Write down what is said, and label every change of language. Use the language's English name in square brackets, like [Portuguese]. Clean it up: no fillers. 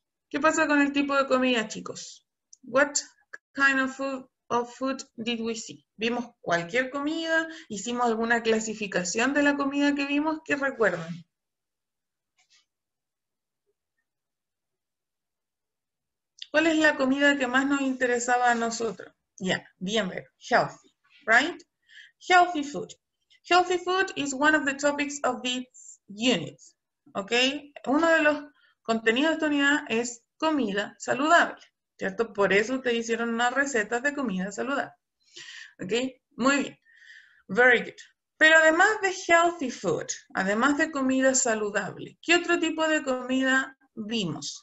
[Spanish] ¿Qué pasa con el tipo de comida, chicos? [English] What kind of food did we see? [Spanish] ¿Vimos cualquier comida? ¿Hicimos alguna clasificación de la comida que vimos? ¿Qué recuerdan? ¿Cuál es la comida que más nos interesaba a nosotros? Ya, bien, ver, [English] healthy, right? Healthy food. Healthy food is one of the topics of this unit. ¿Ok? [Spanish] Uno de los contenidos de esta unidad es comida saludable, ¿cierto? Por eso te hicieron unas recetas de comida saludable. ¿Ok? Muy bien. [English] Very good. [Spanish] Pero además de healthy food, además de comida saludable, ¿qué otro tipo de comida vimos?